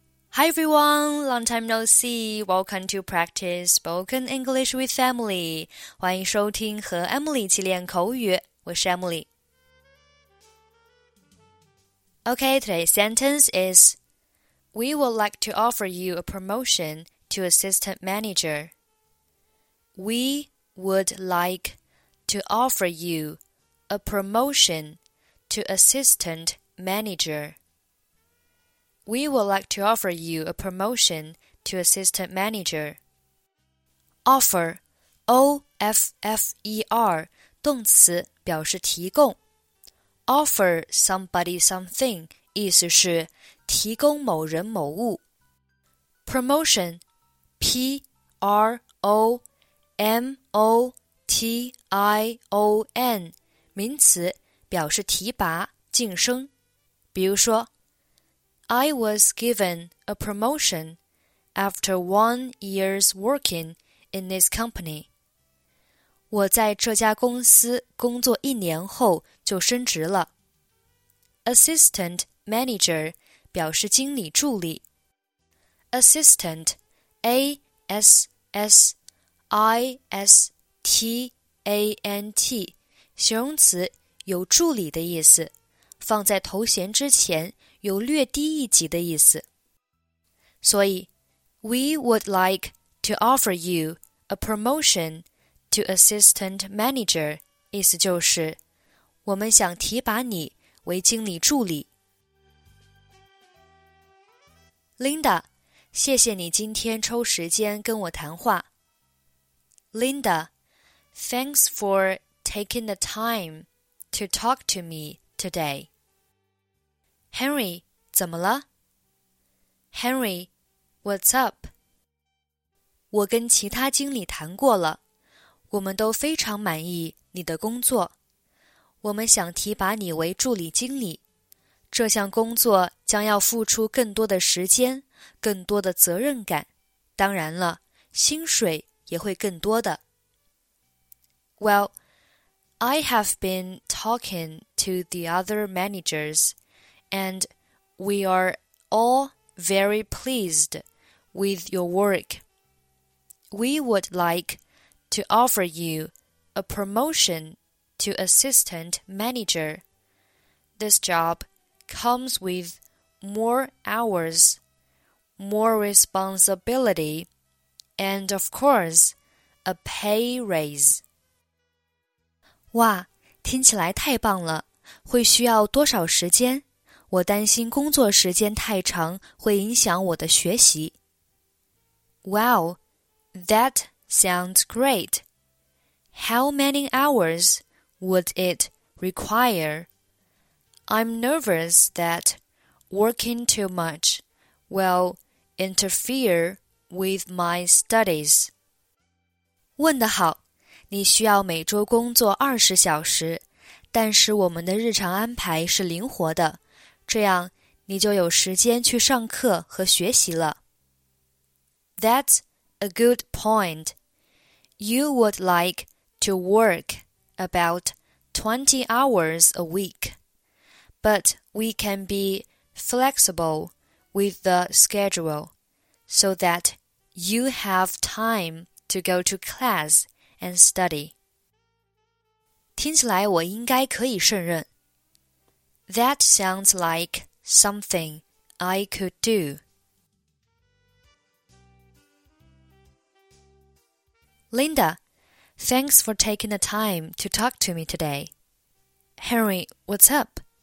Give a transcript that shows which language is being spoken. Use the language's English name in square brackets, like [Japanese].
[English] Hi everyone, long time no see. Welcome to practice spoken English with Emily. [Chinese] 欢迎收听和 Emily 一起练口语。我是 Emily. [English] Okay, today's sentence is We would like to offer you a promotion to assistant manager. We would like to offer you a promotion to assistant manager. We would like to offer you a promotion to assistant manager. [Chinese] Offer, O-F-F-E-R, 动词表示提供。 [English] Offer somebody something, [Chinese] 意思是提供某人某物。 Promotion, P-R-O-M-O-T-I-O-N, 名词表示提拔、晋升。比如说 [English] I was given a promotion after 1 year's working in this company. [Chinese] 我在这家公司工作一年后就升职了。 Assistant manager 表示经理助理。 Assistant, A-S-S-I-S-T-A-N-T, 形容词有助理的意思。放在头衔之前有略低一级的意思。所以 [English] We would like to offer you a promotion to assistant manager [Chinese] 意思就是我们想提拔你为经理助理。 Linda, 谢谢你今天抽时间跟我谈话。 [English] Linda, thanks for taking the time to talk to me today. Henry, [Chinese] 怎么了? [English] Henry, what's up? [Chinese] 我跟其他经理谈过了,我们都非常满意你的工作。我们想提拔你为助理经理。这项工作将要付出更多的时间,更多的责任感。当然了,薪水也会更多的。 [English] Well, I have been talking to the other managers. And we are all very pleased with your work. We would like to offer you a promotion to assistant manager. This job comes with more hours, more responsibility, and of course, a pay raise. [Chinese] 哇,听起来太棒了,会需要多少时间? 我担心工作时间太长会影响我的学习。 [English] Wow, that sounds great. How many hours would it require? I'm nervous that working too much will interfere with my studies. [Chinese] 问得好，你需要每周工作20小时，但是我们的日常安排是灵活的。这样你就有时间去上课和学习了。 [English] That's a good point. You would like to work about 20 hours a week. But we can be flexible with the schedule so that you have time to go to class and study. [Chinese] 听起来我应该可以胜任。 [English] That sounds like something I could do. Linda, thanks for taking the time to talk to me today. Henry, what's up?